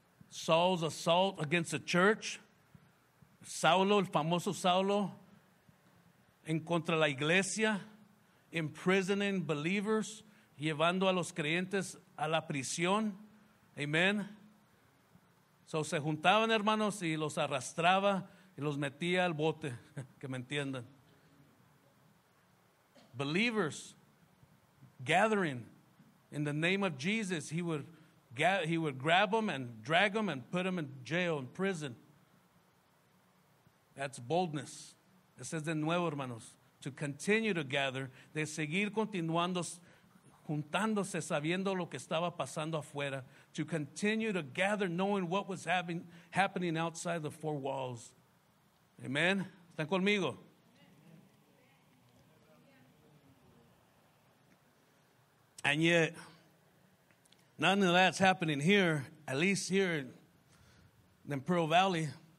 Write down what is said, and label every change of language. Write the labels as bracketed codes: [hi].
[en] Saul's assault against the church. [es] Saulo, el famoso Saulo, en contra de la iglesia, [en] imprisoning believers, [es] llevando a los creyentes a la prisión. Amen. So se juntaban, hermanos, y los arrastraba y los metía al bote. Que me entiendan. [en] Believers gathering in the name of Jesus, he would grab them and drag them and put them in jail, in prison. That's boldness. This is [es] de nuevo, hermanos. [en] To continue to gather, [es] de seguir continuando, juntándose, sabiendo lo que estaba pasando afuera. [en] to continue to gather, knowing what was happening outside the four walls. Amen. [es] ¿Están conmigo? [en] And yet, none of that's happening here, at least here in Pearl Valley.